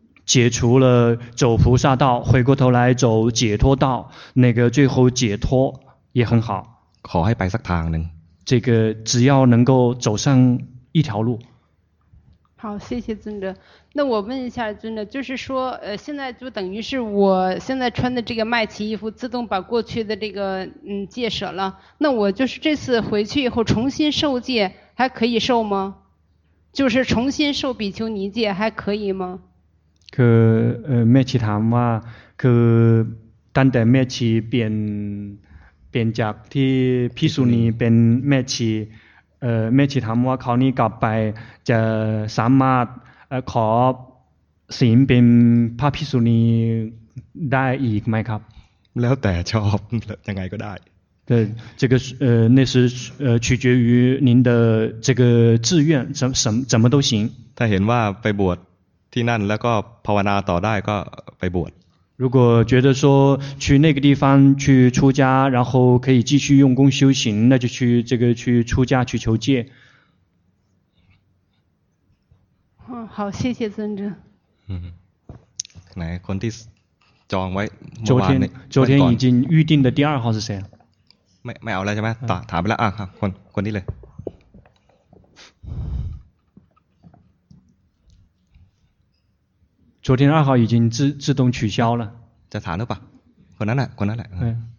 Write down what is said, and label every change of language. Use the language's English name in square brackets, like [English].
[Chinese] 解除了走菩萨道回过头来走解脱道那个最后解脱也很好 [Thai] ขอให้ไปสักทางนึง [Chinese] 这个只要能够走上一条路好谢谢尊者那我问一下尊者就是说现在就等于是我现在穿的这个麦琪衣服自动把过去的这个戒舍了那我就是这次回去以后重新受戒还可以受吗就是重新受比丘尼戒还可以吗 [Thai] คือแม่ชีถามว่าคือตั้งแต่แม่ชีเปลี่ยนจากที่พิสุนีเป็นแม่ชีแม่ชีถามว่าคราวนี้กลับไปจะสามารถขอศีลเป็นพระพิสุนีได้อีกไหมครับ แล้วแต่ชอบยังไงก็ได้ [Chinese] 对，这个那是取决于您的这个志愿，怎么都行。 [Thai] ถ้าเห็นว่าไปบวชที่นั่นแล้วก็ภาวนาต่อได้ก็ไปบวช。 [Chinese] 如果觉得说去那个地方去出家，然后可以继续用功修行，那就去这个去出家去求戒。嗯，好，谢谢尊者。嗯，来， [Thai] คนที่จองไว้ [Chinese] 昨天已经预定的第二号是谁？ [Thai] ไม่เอาแล้วใช่ไหมต่อถามไปแล้วอ่ะครับคนนี้เลย จุดที่ [Chinese] 2号已经自动取消了 [Thai] จะถามหรือเปล่าคนนั้นแหละ